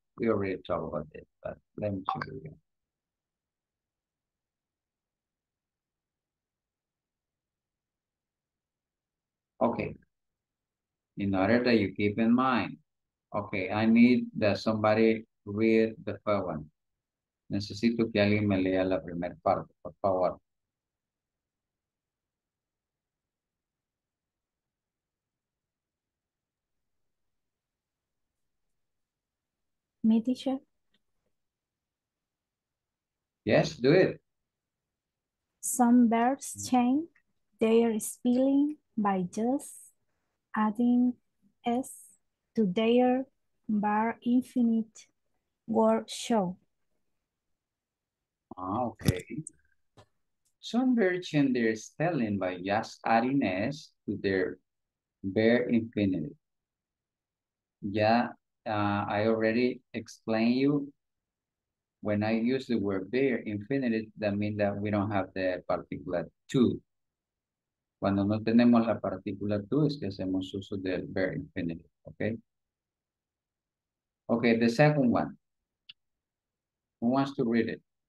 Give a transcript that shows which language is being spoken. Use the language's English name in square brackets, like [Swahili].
[English] We already talked about it, but let me check it again. Okay. In order that you keep in mind. Okay, I need that somebody read the first one. [Spanish] Necesito que alguien me lea la primer parte, por favor. [English] Me, teacher? Yes, do it. Some verbs change their spelling by just adding S to their bar infinite word show. Okay. Some verbs change their spelling by just adding S to their bar infinite. Yeah, I already explained you. When I use the word bar infinite, that means that we don't have the particular to. [Spanish] Cuando no tenemos la partícula to, es que hacemos uso del verb infinitive, okay? [English] Okay, the second one. Who wants to read it?